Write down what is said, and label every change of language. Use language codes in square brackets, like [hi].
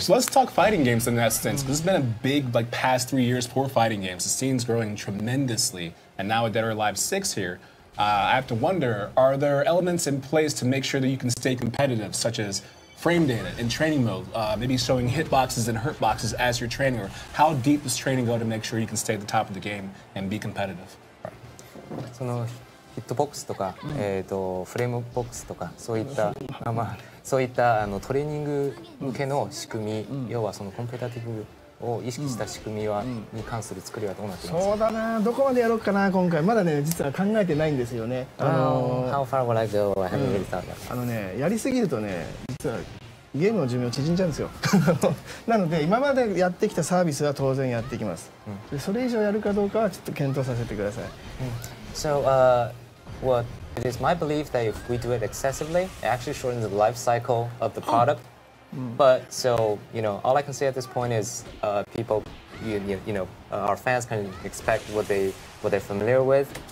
[en] So let's talk fighting games in that sense, because it's been a big, like, past 3 years for fighting games. The scene's growing tremendously, and now with Dead or Alive 6 here, I have to wonder, are there elements in place to make sure that you can stay competitive, such as frame data in training mode, maybe showing hitboxes and hurtboxes as you're training, or how deep does training go to make sure you can stay at the top of the game and be competitive? [ja] ヒットボックスとか、フレームボックスとかそういった、まあ、そういったあのトレーニング向けの仕組み、うん、要はそのコンペタティブを意識した仕組みは、うん、に関する作りはどうなっていますか。そうだな、どこまでやろうかな今回。まだね、実は考えてないんですよね。 [en] How far will I go? I haven't really thought that. [ja] あのね、やりすぎるとね、実はゲームの寿命縮んじゃうんですよなので今までやってきたサービスは当然やってきます、うん、でそれ以上やるかどうかはちょっと検討させてください、 [en] うん、So, Well, it is my belief that if we do it excessively, it actually shortens the life cycle of the product. But so, you know, all I can say at this point is people, our fans can expect what they're familiar with.